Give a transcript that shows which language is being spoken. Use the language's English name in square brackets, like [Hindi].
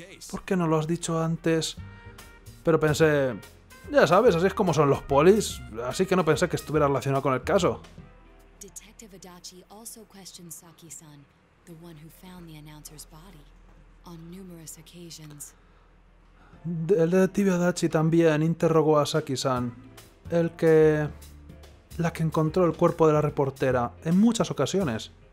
[Spanish] ¿Por qué no lo has dicho antes? Pero pensé, ya sabes, así es como son los polis, así que no pensé que estuviera relacionado con el caso. [English] Detective Adachi also questioned Saki-san, the one who found the announcer's body, on numerous occasions. [Spanish] El detective Adachi también interrogó a Saki-san, la que encontró el cuerpo de la reportera, en muchas ocasiones.